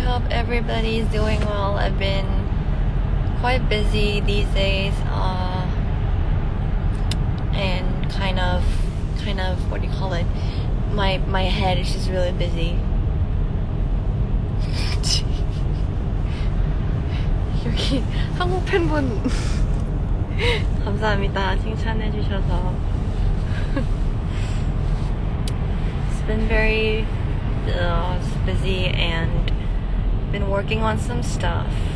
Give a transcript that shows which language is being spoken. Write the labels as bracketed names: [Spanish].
[English] Everybody's doing well. I've been quite busy these days, and kind of what do you call it? My head is just really busy. [Korean] Here, 한국 팬분 감사합니다. 칭찬해 주셔서. [English] It's been very busy and been working on some stuff.